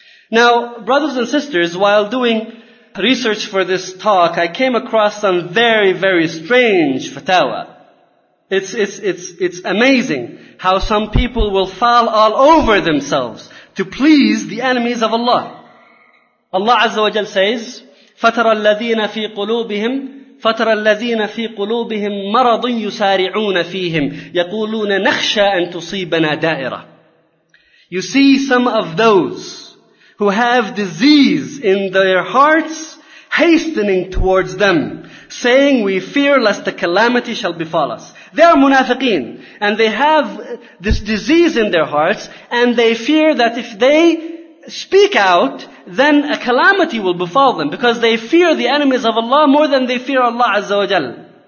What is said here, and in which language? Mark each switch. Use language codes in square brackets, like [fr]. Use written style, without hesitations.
[en] Now, brothers and sisters, while doing research for this talk, I came across some very, very strange fatwa. It's amazing how some people will fall all over themselves to please the enemies of Allah. Allah Azza wa Jal says, [ar] فَتَرَ الَّذِينَ فِي قُلُوبِهِمْ فَتَرَ الَّذِينَ فِي قُلُوبِهِمْ مَرَضٌ يُسَارِعُونَ فِيهِمْ يَقُولُونَ نَخْشَى أَن تُصِيبَنَا دَائِرَةً. [en] You see some of those who have disease in their hearts hastening towards them, saying, we fear lest the calamity shall befall us. They are munafiqeen, and they have this disease in their hearts, and they fear that if they speak out, then a calamity will befall them, because they fear the enemies of Allah more than they fear Allah Azza wa Jal.